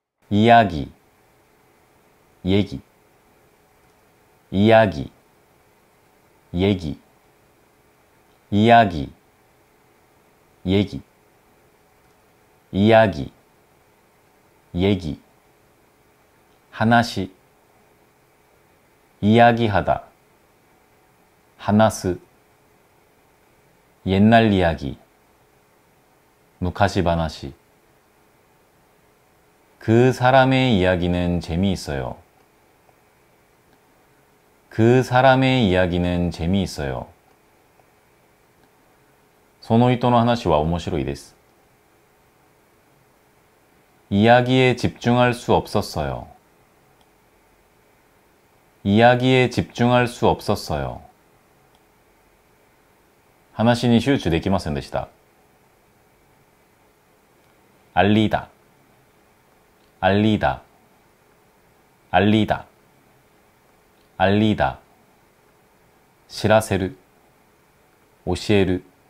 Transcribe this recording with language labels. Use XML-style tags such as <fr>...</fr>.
<ko>이야기、얘기、이야기、얘기、이야기、얘기、이야기、얘기、話し、이야기하다、話す、옛날이야기、昔話。 그사람의이야기는재미있어요。 그사람의이야기는재미있어요。</ko> <ja>その人の話は面白いです。</ja> <ko>이야기에집중할수없었어요。 이야기에집중할수없었어요。</ko> <ja>話に集中できませんでした。</ja> <ko>알리다、알리다、알리다、알리다、知らせる、教える。</ko>